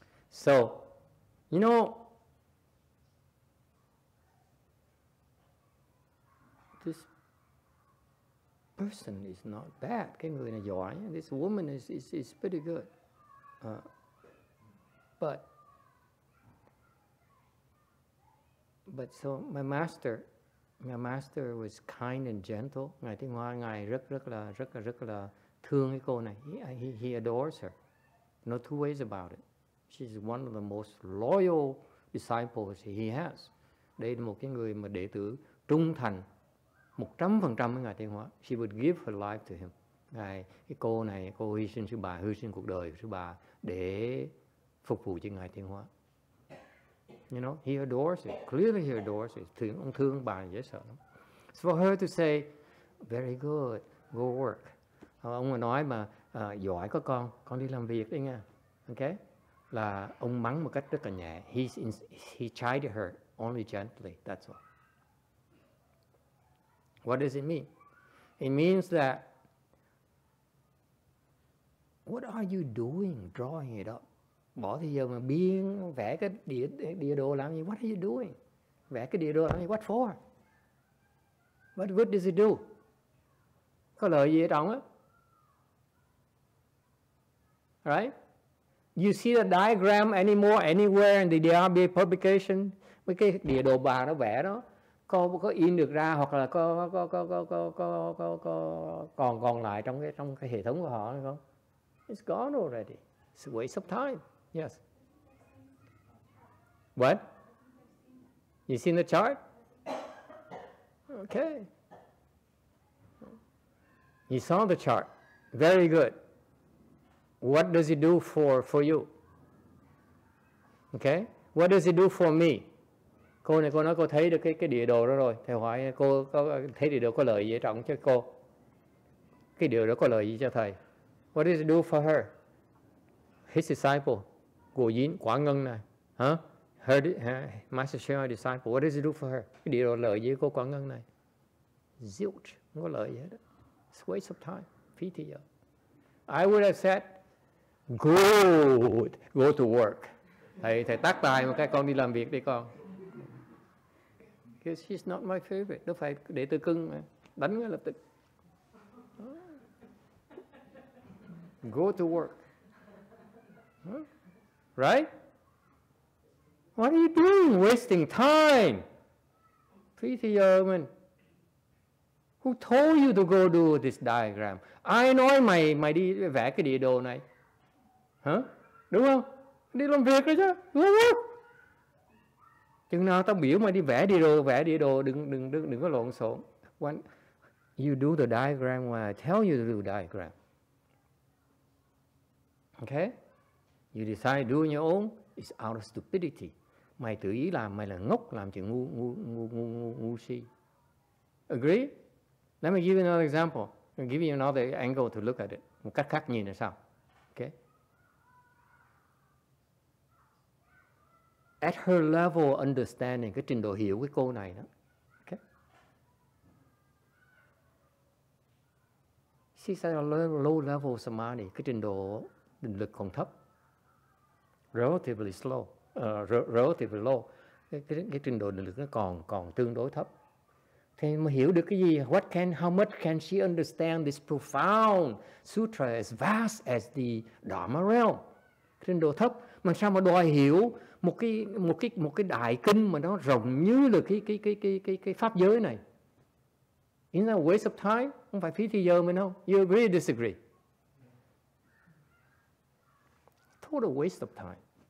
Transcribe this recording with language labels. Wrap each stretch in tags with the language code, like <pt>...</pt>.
<en>So, you know, this person is not bad.</en> <vi>Cái người này giỏi.</vi> <en>This woman is pretty good. But so my master was kind and gentle.</en> <vi>Ngài Thiên Hoa, ngài rất là thương cái cô này.</vi> <en>He adores her. No two ways about it. She's one of the most loyal disciples he has.</en> <vi>Đây là một cái người mà đệ tử trung thành 100% với ngài Thiên Hoa.</vi> <en>She would give her life to him.</en> <vi>Ngài cái cô này, cô hy sinh sư bà, hy sinh cuộc đời sư bà để phục vụ cho ngài Thiên Hoa.</vi> <en>You know, he adores it. Clearly he adores it.</en> <vi>Ông thương bà dễ sợ lắm.</vi> <en>So for her to say, very good, go work.</en> <vi>Ông mà nói mà giỏi có con đi làm việc đi nha. Okay? Là ông mắng một cách rất là nhẹ.</vi> <en>He chided her only gently. That's all. What does it mean? It means that what are you doing drawing it up?</en> <vi>Bỏ thì giờ mà biên vẽ cái địa đồ làm gì?</vi> <en>What are you doing?</en> <vi>Vẽ cái địa đồ làm gì?</vi> <en>What for? What good does it do?</en> <vi>Có lợi gì ở trong á?</vi> <en>Right? You see the diagram anymore, anywhere in the DRB publication?</en> <vi>Mấy cái địa đồ bà nó vẽ đó có in được ra hoặc là có còn lại trong cái hệ thống của họ hay không?</vi> <en>It's gone already. It's a waste of time. Yes. What? You seen the chart? Okay. You saw the chart. Very good. What does it do for you? Okay. What does it do for me?</en> <vi>Cô này cô nói cô thấy được cái địa đồ đó rồi. Thầy hỏi cô có thấy địa đồ có lợi gì trọng cho cô? Cái địa đồ có lợi gì cho thầy?</vi> <en>What does it do for her? His disciple. Của Yến, Quả Ngân này. Huh? Her, Master Shea, disciple. What does it do for her?</en> <vi>Cái điều lợi gì của Quả Ngân này? Zilch. Không có lợi gì hết.</vi> <en>It's a waste of time.</en> <vi>Phí thì giờ.</vi> <en>I would have said, good, go to work.</en> <vi>Thầy tắt tài một cái con đi làm việc đi con.</vi> <en>Because she's not my favorite.</en> <vi>Đâu phải để tôi cưng mà. Đánh ngay lập tức.</vi> <en>Go to work. Huh? Right? What are you doing? Wasting time. Pretty German. Who told you to go do this diagram?</en> <vi>Ai nói mày đi vẽ cái địa đồ này? Hả? Đúng không? Đi làm việc rồi chứ. Đúng không? Chừng nào tao biểu mày đi vẽ địa đồ, đừng có lộn xộn.</vi> <en>When you do the diagram, when I tell you to do the diagram. Okay? You decide doing your own is out of stupidity.</en> <vi>Mày tự ý làm, mày là ngốc, làm chuyện ngu si.</vi> <en>Agree? Let me give you another example. I'll give you another angle to look at it.</en> <vi>Một cách khác nhìn là sao? Okay.</vi> <en>At her level of understanding,</en> <vi>cái trình độ hiểu cái cô này đó. Okay.</vi> <en>She's at a low level of samadhi,</en> <vi>cái trình độ định lực còn thấp.</vi> <en>Relatively slow, relatively low.</en> <vi>Cái trình độ định lực nó còn tương đối thấp. Thế mà hiểu được cái gì?</vi> <en>What can, how much can she understand this profound sutra as vast as the Dharma realm?</en> <vi>Trình độ thấp, mà sao mà đòi hiểu một cái đại kinh mà nó rộng như là cái pháp giới này?</vi> <en>Isn't that a waste of time?</en> <vi>Không phải phí thời giờ mình không?</vi> <en>You agree or disagree? Total waste of time.</en>